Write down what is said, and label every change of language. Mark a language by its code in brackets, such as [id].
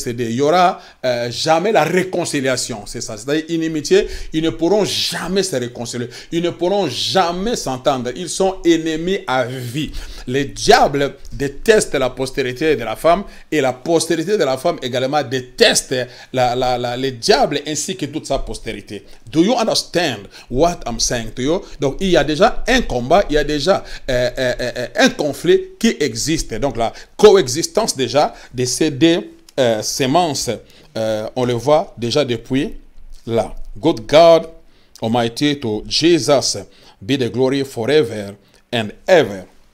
[fr] Il y aura jamais la réconciliation. C'est ça. C'est-à-dire inimitié. Ils ne pourront jamais se réconcilier. Ils ne pourront jamais s'entendre. Ils sont ennemis à vie. Le diable déteste la postérité de la femme et la postérité de la femme également déteste le diable ainsi que toute sa postérité. [en] Do you understand what I'm saying to you? [fr] Donc il y a déjà un combat, il y a déjà un conflit qui existe. Donc la coexistence déjà de ces deux semences, on le voit déjà depuis là. [en] Good God Almighty to Jesus be the glory forever and ever.